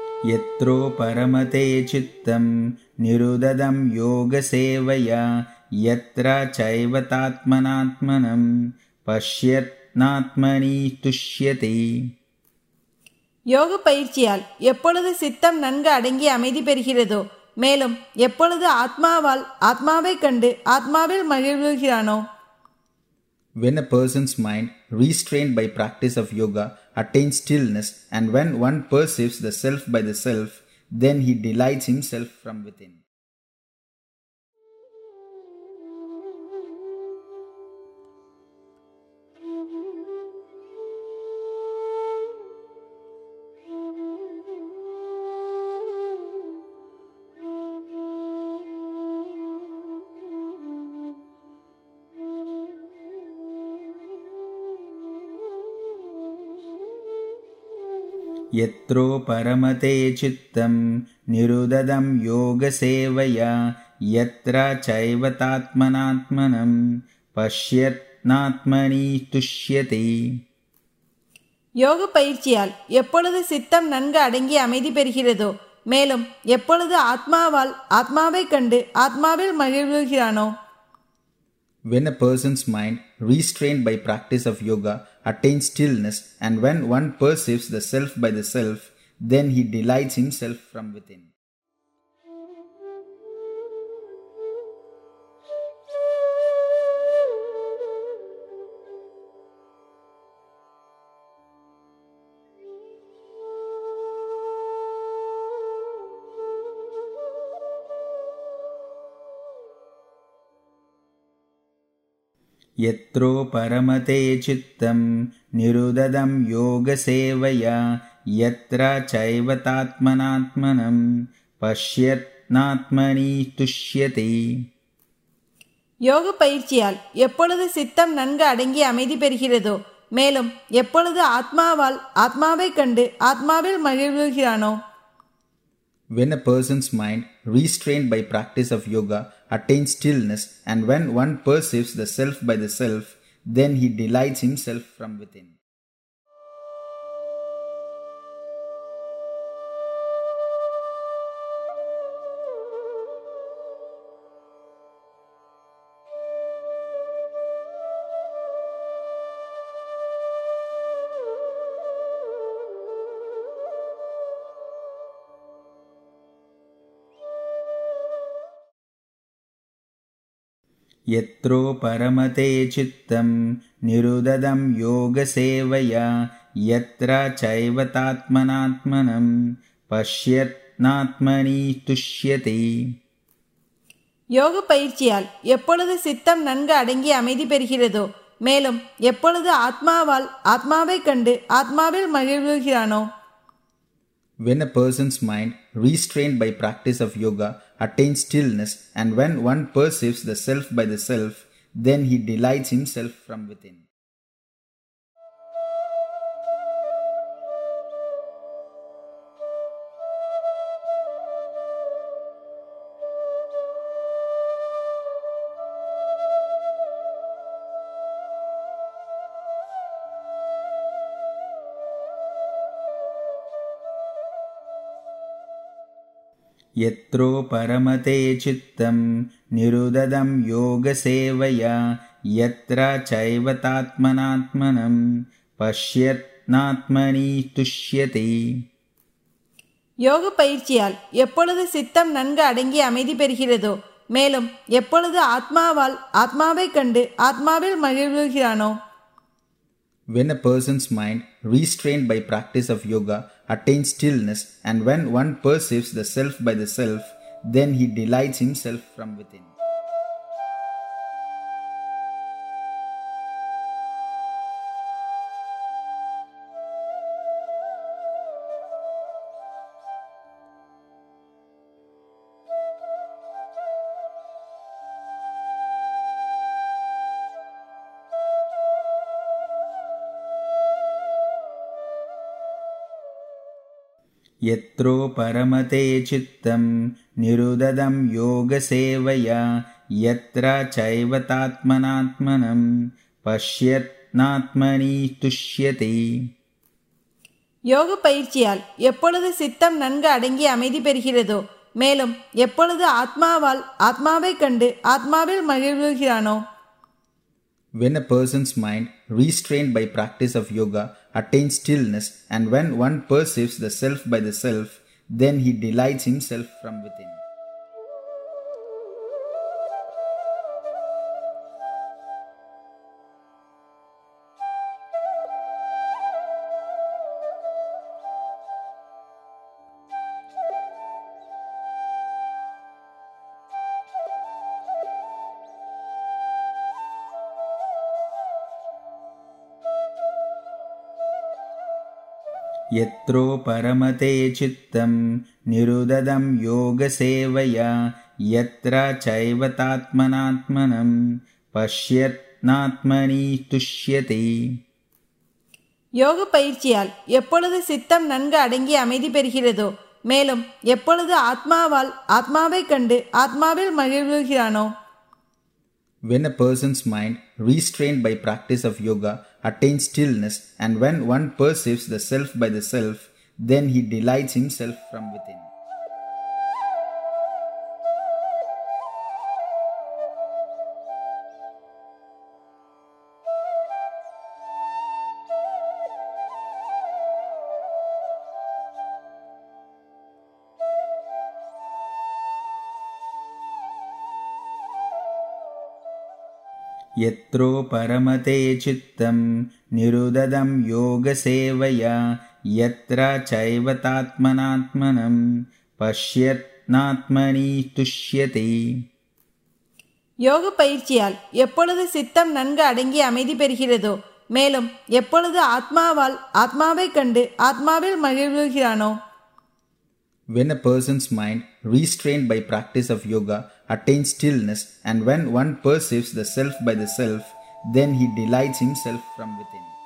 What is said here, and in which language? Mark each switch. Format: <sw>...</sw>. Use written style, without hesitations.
<sa>யத்ரோ பரமதே சித்தம் நிருததம் யோக சேவையா யத்ரா சைவ தாத்மநாத்மனம் பஷ்யத்நாத்மனி துஷ்யதே.</sa> <ta>யோக பயிற்சியால் எப்பொழுது சித்தம் நன்கு அடங்கி அமைதி பெறுகிறதோ, மேலும் எப்பொழுது ஆத்மாவால் ஆத்மாவை கண்டு ஆத்மாவில் மகிழ்கிறானோ.</ta> <en>When a person's mind, restrained by practice of yoga, attains stillness, and when one perceives the self by the self, then he delights himself from within.</en> <sa>யத்ரோ பரமதே சித்தம் நிருததம் யோக சேவையா யத்ரா சைவ தாத்மநாத்மனம் பஷ்யத்நாத்மனி துஷ்யதே.</sa> <ta>யோக பயிற்சியால் எப்பொழுது சித்தம் நன்கு அடங்கி அமைதி பெறுகிறதோ, மேலும் எப்பொழுது ஆத்மாவால் ஆத்மாவை கண்டு ஆத்மாவில் மகிழ்கிறானோ.</ta> <en>When a person's mind, restrained by practice of yoga, attains stillness, and when one perceives the self by the self, then he delights himself from within.</en> <sa>யத்ரோ பரமதே சித்தம் நிருததம் யோக சேவையா யத்ரா சைவ தாத்மநாத்மனம் பஷ்யத்நாத்மனி துஷ்யதே.</sa> <ta>யோக பயிற்சியால் எப்பொழுது சித்தம் நன்கு அடங்கி அமைதி பெறுகிறதோ, மேலும் எப்பொழுது ஆத்மாவால் ஆத்மாவை கண்டு ஆத்மாவில் மகிழ்கிறானோ.</ta> <en>When a person's mind, restrained by practice of yoga, attains stillness, and when one perceives the self by the self, then he delights himself from within.</en> <sa>யத்ரோ பரமதே சித்தம் நிருததம் யோக சேவையா யத்ரா சைவ தாத்மநாத்மனம் பஷ்யத்நாத்மனி துஷ்யதே.</sa> <ta>யோக பயிற்சியால் எப்பொழுது சித்தம் நன்கு அடங்கி அமைதி பெறுகிறதோ, மேலும் எப்பொழுது ஆத்மாவால் ஆத்மாவை கண்டு ஆத்மாவில் மகிழ்கிறானோ.</ta> <en>When a person's mind, restrained by practice of yoga, attains stillness, and when one perceives the self by the self, then he delights himself from within.</en> <sa>யத்ரோ பரமதே சித்தம் நிருததம் யோக சேவையா யத்ரா சைவ தாத்மநாத்மனம் பஷ்யத்நாத்மனி துஷ்யதே.</sa> <ta>யோக பயிற்சியால் எப்பொழுது சித்தம் நன்கு அடங்கி அமைதி பெறுகிறதோ, மேலும் எப்பொழுது ஆத்மாவால் ஆத்மாவை கண்டு ஆத்மாவில் மகிழ்கிறானோ.</ta> <en>When a person's mind, restrained by practice of yoga, attains stillness, and when one perceives the self by the self, then he delights himself from within.</en> <sa>யத்ரோ பரமதே சித்தம் நிருததம் யோக சேவையா யத்ரா சைவ தாத்மநாத்மனம் பஷ்யத்நாத்மனி துஷ்யதே.</sa> <ta>யோக பயிற்சியால் எப்பொழுது சித்தம் நன்கு அடங்கி அமைதி பெறுகிறதோ, மேலும் எப்பொழுது ஆத்மாவால் ஆத்மாவை கண்டு ஆத்மாவில் மகிழ்கிறானோ.</ta> <en>When a person's mind, restrained by practice of yoga, attains stillness, and when one perceives the self by the self, then he delights himself from within.</en> <sa>யத்ரோ பரமதே சித்தம் நிருததம் யோக சேவையா யத்ர சைவ தாத்மநாத்மனம் பஷ்யத்நாத்மனி துஷ்யதே.</sa> <ta>யோக பயிற்சியால் எப்பொழுது சித்தம் நன்கு அடங்கி அமைதி பெறுகிறதோ, மேலும் எப்பொழுது ஆத்மாவால் ஆத்மாவை கண்டு ஆத்மாவில் மகிழ்கிறானோ.</ta> <en>When a person's mind, restrained by practice of yoga, attains stillness, and when one perceives the self by the self, then he delights himself from within.</en> <sa>யத்ரோ பரமதே சித்தம் நிருததம் யோக சேவையா யத்ர சைவ தாத்மநாத்மனம் பஷ்யத்நாத்மனி துஷ்யதே.</sa> <ta>யோக பயிற்சியால் எப்பொழுது சித்தம் நன்கு அடங்கி அமைதி பெறுகிறதோ, மேலும் எப்பொழுது ஆத்மாவால் ஆத்மாவை கண்டு ஆத்மாவில் மகிழ்கிறானோ.</ta> <en>When a person's mind, restrained by practice of yoga, attains stillness, and when one perceives the self by the self, then he delights himself from within.</en>